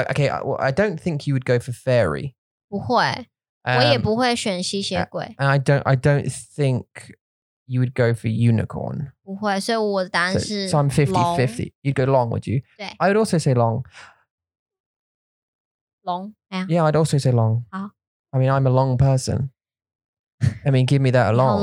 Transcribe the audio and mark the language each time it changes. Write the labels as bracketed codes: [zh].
[en] OK， well, I don't think you would go for fairy。 [zh] 不会，我也不会选吸血鬼。 [en] And I don't think you would go for unicorn。 [zh] 不会，所以我的答案是 [en] so I'm 50-50. You'd go long, would you? [zh] 对。 [en] I would also say long. Long? Yeah, I'd also say long. [zh] 好。 [en] I mean, I'm a long person. I mean, give me that a long.